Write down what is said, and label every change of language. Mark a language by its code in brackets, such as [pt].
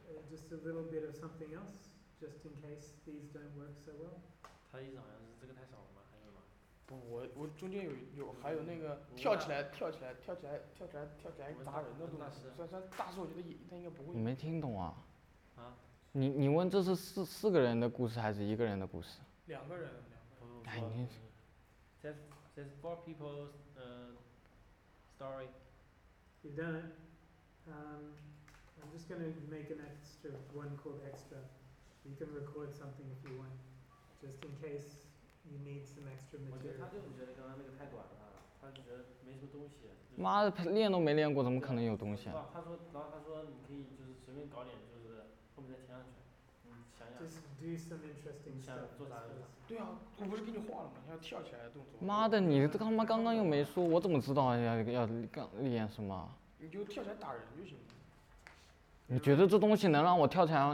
[en] Just a little bit of something else, just in case these don't work so well. [zh] 他意思好像是这个太少了吗？还有吗？不，我中间有还有那个跳起来砸人的东西。算大师，我觉得他应该不会。你没听懂啊？啊？你问这是四个人的故事还是一个人的故事？两个人，两个人。哎，你。 [en] There's four people's story. You've done it. I'm just going to make an extra one called extra. You can record something if you want, just in case you need some extra material. [zh] 我觉得他就是觉得刚才那个太短了，他就觉得没什么东西。妈的，练都没练过，怎么可能有东西啊？他说，然后他说你可以就是随便搞点，就是后面再填上去。 [en] Just do some interesting stuff. [zh] 对啊，我不是给你画了吗？要跳起来的动作。妈的，你他妈刚刚又没说，我怎么知道要练什么？你就跳起来打人就行了。你觉得这东西能让我跳起来吗？